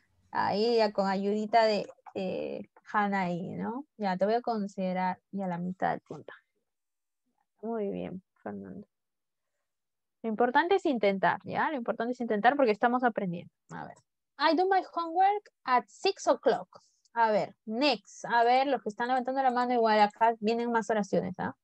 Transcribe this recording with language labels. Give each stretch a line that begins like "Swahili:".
Spanish: Ahí ya con ayudita de Hanna ahí, ¿no? Ya, te voy a considerar ya la mitad del punto. Muy bien, Fernando. Lo importante es intentar, ¿ya? Lo importante es intentar porque estamos aprendiendo. A ver.
English: I do my homework at 6 o'clock.
Spanish: A ver, next. A ver, los que están levantando la mano igual acá vienen más oraciones, ¿ah?